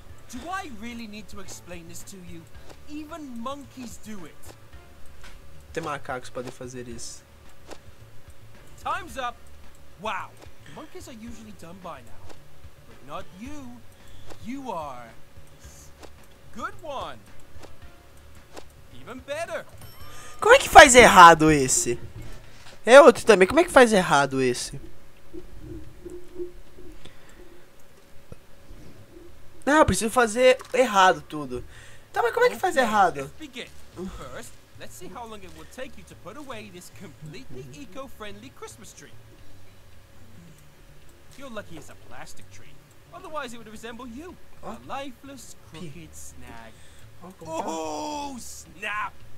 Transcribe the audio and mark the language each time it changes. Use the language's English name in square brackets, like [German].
[English] Do I really need to explain this to you? Even monkeys do it. [Portuguese] Tem macacos podem fazer isso. [English] Time's up! Wow! Monkeys are usually done by now. But not you. You are. Good one. Even better. [Portuguese] Como é que faz errado esse? É outro também. Como é que faz errado esse? Não, eu preciso fazer errado tudo. Tá, mas como é que faz errado? [English] First, let's see how long it will take you to put away this completely eco-friendly Christmas tree. You're lucky it's a plastic tree. Otherwise it would resemble you. A lifeless crooked snag. Oh snap!